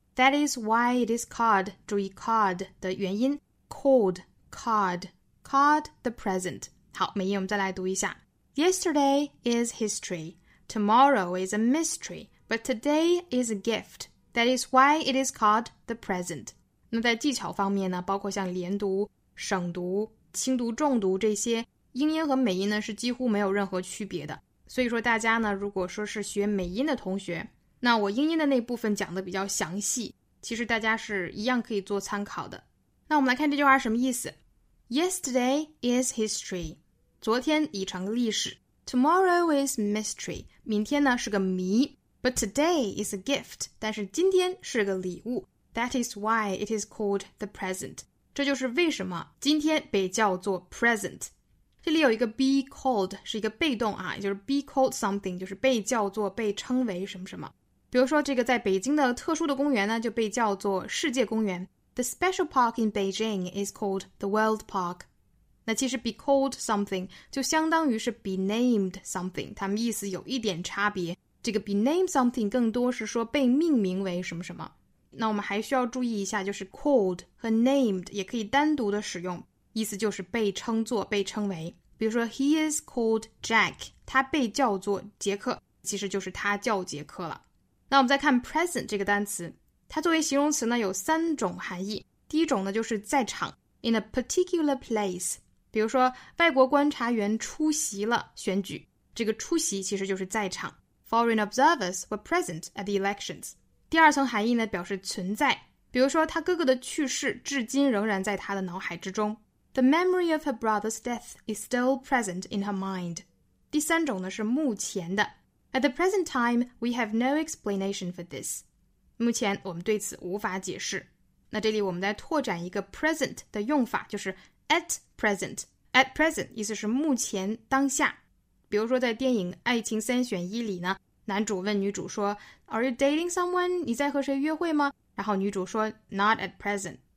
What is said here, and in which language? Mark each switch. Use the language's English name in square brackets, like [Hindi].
[English] That is why it is called, [Chinese] 注意 [English] called [Chinese] 的元音 [English] called the present. [Chinese] 好，美音我们再来读一下。 [English] Yesterday is history. Tomorrow is a mystery. But today is a gift. That is why it is called the present. [Chinese] 那在技巧方面呢，包括像连读、省读、轻读、重读这些英音和美音呢是几乎没有任何区别的。所以说大家呢，如果说是学美音的同学，那我英音的那部分讲的比较详细，其实大家是一样可以做参考的。那我们来看这句话什么意思。 [English] Yesterday is history， [Chinese] 昨天已成历史。 [English] Tomorrow is mystery， [Chinese] 明天呢是个谜。 [English] But today is a gift， [Chinese] 但是今天是个礼物。 [English] That is why it is called the present， [Chinese] 这就是为什么今天被叫做 present。这里有一个 be called， 是一个被动啊，也就是 be called something， 就是被叫做、被称为什么什么。比如说这个在北京的特殊的公园呢，就被叫做世界公园。 [English] The special park in Beijing is called the world park。 [Chinese] 那其实 be called something 就相当于是 be named something， 它们意思有一点差别。这个 be named something 更多是说被命名为什么什么。那我们还需要注意一下，就是 called 和 named 也可以单独的使用，意思就是被称作、被称为。比如说 [English] He is called Jack， [Chinese] 他被叫做杰克，其实就是他叫杰克了。那我们再看 present 这个单词，它作为形容词呢有三种含义。第一种呢就是在场， [English] in a particular place， [Chinese] 比如说外国观察员出席了选举，这个出席其实就是在场。 [English] Foreign observers were present at the elections。 [Chinese] 第二层含义呢表示存在，比如说他哥哥的去世至今仍然在他的脑海之中， [English] The memory of her brother's death is still present in her mind. [Chinese] 第三种呢是目前的。 [English] At the present time, we have no explanation for this. [Chinese] 目前我们对此无法解释。那这里我们再拓展一个 present 的用法，就是 at present. At present 意思是目前、当下。比如说在电影《爱情三选一》里呢，男主问女主说 [English] Are you dating someone? [Chinese] 你在和谁约会吗？然后女主说 [English] Not at present.